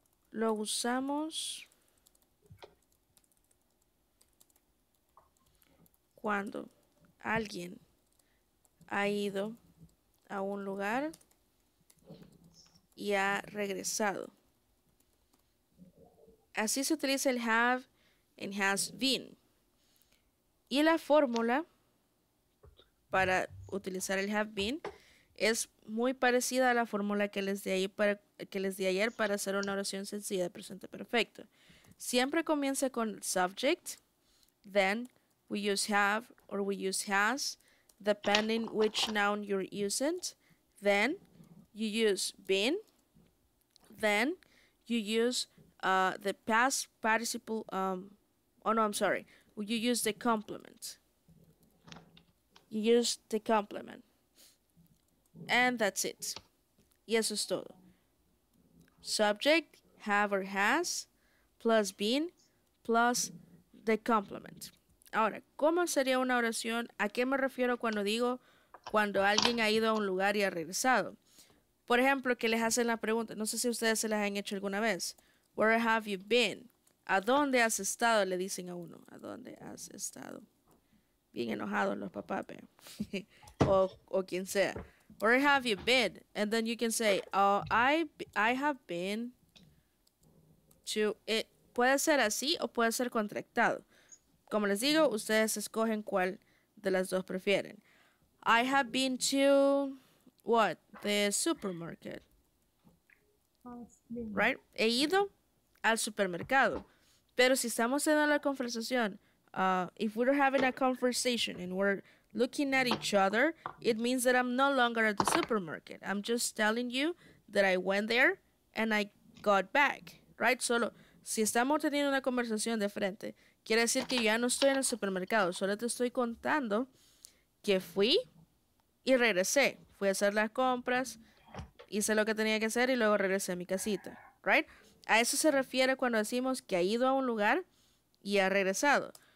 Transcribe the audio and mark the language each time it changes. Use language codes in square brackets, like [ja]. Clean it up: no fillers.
[es] Lo usamos cuando alguien ha ido a un lugar y ha regresado. Así se utiliza el have and has been. Y la fórmula para utilizar el have been es muy parecida a la fórmula que les di ahí para que les di ayer para hacer una oración sencilla de presente perfecto. Siempre comienza con [en] subject, then we use have or we use has, depending which noun you're using. Then you use been. Then you use the past participle. You use the complement. You use the complement. And that's it. [es] Y eso es todo. [en] Subject, have or has, plus been, plus the complement. [es] Ahora, ¿cómo sería una oración? ¿A qué me refiero cuando digo cuando alguien ha ido a un lugar y ha regresado? Por ejemplo, que les hacen la pregunta. No sé si ustedes se las han hecho alguna vez. [en] Where have you been? [es] ¿A dónde has estado? Le dicen a uno. ¿A dónde has estado? Bien enojados los papás, pero. o quien sea. [en] Where have you been? And then you can say, I have been to... [es] Puede ser así o puede ser contractado. Como les digo, ustedes escogen cuál de las dos prefieren. [en] I have been to... What? The supermarket. [es] Right? He ido al supermercado. Pero si estamos en la conversación, [en] if we're having a conversation and we're looking at each other, it means that I'm no longer at the supermarket. I'm just telling you that I went there and I got back. Right? [es] Solo, si estamos teniendo una conversación de frente, quiere decir que ya no estoy en el supermercado. Solo te estoy contando que fui y regresé. Fui a hacer las compras, hice lo que tenía que hacer y luego regresé a mi casita. Right? A eso se refiere cuando decimos que ha ido a un lugar y ha regresado.